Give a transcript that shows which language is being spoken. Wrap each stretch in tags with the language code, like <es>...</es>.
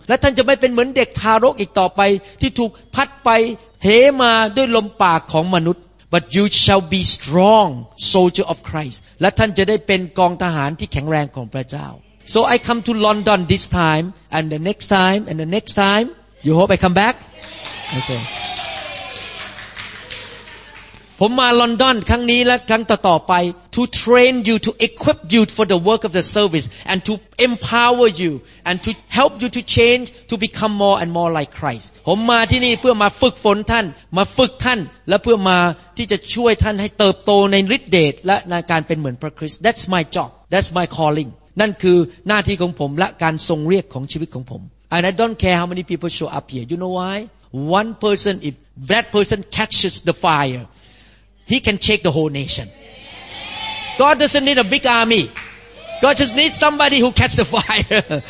<th>และท่านจะไม่เป็นเหมือนเด็กทารกอีกต่อไปที่ถูกพัดไปเหมาด้วยลมปากของมนุษย์</th> <en>But you shall be strong soldier of Christ.</en> <th>และท่านจะได้เป็นกองทหารที่แข็งแรงของพระเจ้า</th> <en>So I come to London this time, and the next time, and the next time. You hope I come back? Okay.</en> <th>ผมมาลอนดอนครั้งนี้และครั้งต่อๆไป</th> <en>to train you, to equip you for the work of the service, and to empower you, and to help you to change, to become more and more like Christ.</en> <th>ผมมาที่นี่เพื่อมาฝึกฝนท่านมาฝึกท่านและเพื่อมาที่จะช่วยท่านให้เติบโตในฤทธิ์เดชและในการเป็นเหมือนพระคริสต์</th> <en>That's my job. That's my calling.</en> <th>นั่นคือหน้าที่ของผมและการทรงเรียกของชีวิตของผม</th> <en>And I don't care how many people show up here. You know why? One person, if that person catches the fire, he can shake the whole nation. God doesn't need a big army. God just needs somebody who catch the fire.</en>